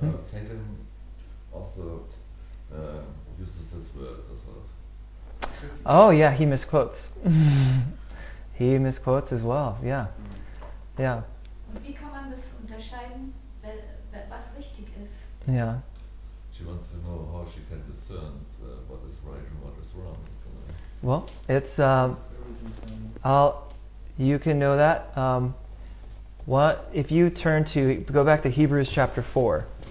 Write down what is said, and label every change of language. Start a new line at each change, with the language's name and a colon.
English: Satan also uses this word. Also. Oh, yeah, he misquotes. He misquotes as well, yeah. Yeah.
German: Und wie kann man das unterscheiden, was richtig ist? Ja. Yeah.
English: She wants to know how she can discern what is right and what is wrong. Well, it's I'll you can know that. What if you turn to go back to Hebrews chapter 4.